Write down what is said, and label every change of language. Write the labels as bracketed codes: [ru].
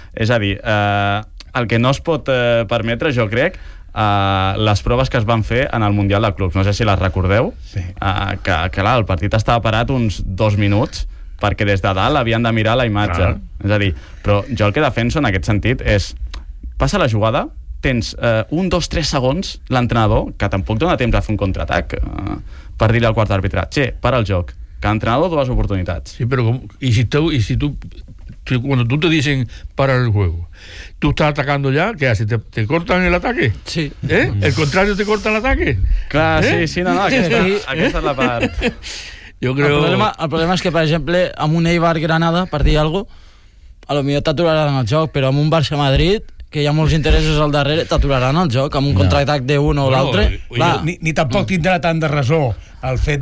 [ca] És a dir, el que no es pot permetre, jo crec, les proves que es van fer en el Mundial de Clubs, no sé si les recordeu, que clar, el partit estava parat uns 2 minuts perquè des de dalt havien de mirar la imatge. Clar. És a dir, però jo el que defenso en aquest sentit és, passa la jugada, tens 1, 2, 3 segons l'entrenador, que tampoc dona temps a fer un contraatac, per dir-li al quart àrbitre, che, para el joc, que l'entrenador dues oportunitats. Sí, però com, i si tu quan tu [es] te dicen para el juego, tú estás atacando ya, ¿qué haces? ¿Te cortan el ataque? Sí. ¿Eh? ¿El contrario te corta el ataque? Claro, ¿eh? [ca] Sí, aquesta es la part. [es] Yo creo... El problema es que, por ejemplo, [ca] amb un Eibar-Granada, per dir algo, a lo millor t'aturaran el joc, però amb un Barça-Madrid, que hi ha molts interessos al darrere, t'aturaran el joc amb un contraatac d'un o l'altre. Ni tampoc tindrà tant de resó el fet